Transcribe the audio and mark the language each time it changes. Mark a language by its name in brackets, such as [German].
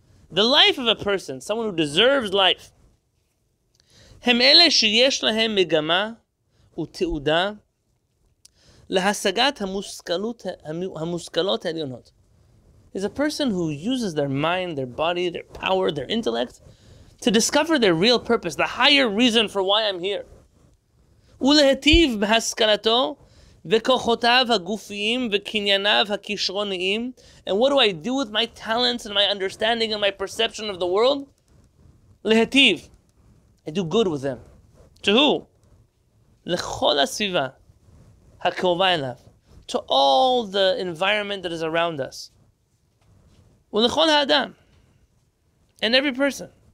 [English] The life of a person, someone who deserves life, [Hebrew] הם אלה שיש להם מגמה ותעודה להשגת המושכלות העליונות, [English] is a person who uses their mind, their body, their power, their intellect to discover their real purpose, the higher reason for why I'm here. [Hebrew] ולהטיב בהשכלתו וכוחותיו הגופיים וקנייניו הכישרוניים. [English] And what do I do with my talents and my understanding and my perception of the world? להטיב. I do good with them. To who? [Hebrew] לכל הסביבה הקרובה אליו. [English] To all the environment that is around us. [Hebrew] ולכל האדם. [English] And every person.